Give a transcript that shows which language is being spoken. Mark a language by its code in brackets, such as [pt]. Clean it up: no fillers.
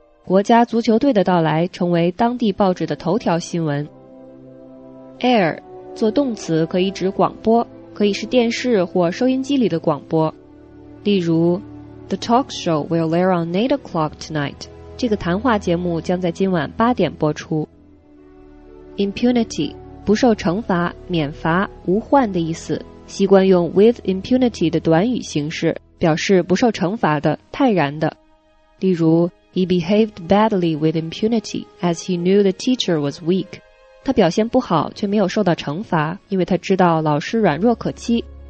[zh] 国家足球队的到来成为当地报纸的头条新闻。 Air 做动词可以指广播，可以是电视或收音机里的广播。例如 [en] ，The talk show will air on 8 o'clock tonight. [zh] 这个谈话节目将在今晚八点播出。 Impunity 不受惩罚、免罚、无患的意思，习惯用 [en] with impunity [zh] 的短语形式，表示不受惩罚的、泰然的。例如 [en] ，He behaved badly with impunity as he knew the teacher was weak。 [zh] 他表现不好却没有受到惩罚，因为他知道老师软弱可欺。